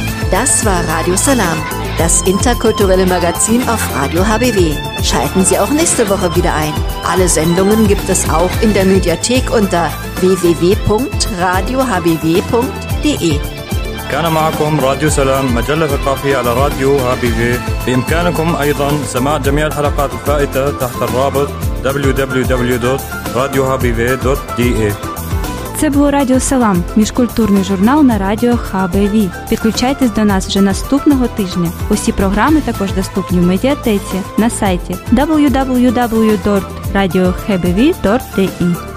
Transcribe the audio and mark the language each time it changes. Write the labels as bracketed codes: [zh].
[de] Das war Radio Salam, das interkulturelle Magazin auf Radio HBW. Schalten Sie auch nächste Woche wieder ein. Alle Sendungen gibt es auch in der Mediathek unter www.radiohbw.de. [ar] كان معكم راديو سلام مجلة ثقافية على راديو HBW. بإمكانكم أيضا سماع جميع الحلقات الفائتة تحت الرابط www.radiohbw.de. [uk] Це було Радіо Салам, міжкультурний журнал на радіо HBW. Підключайтесь до нас вже наступного тижня. Усі програми також доступні в медіатеці на сайті www.radiohbw.de.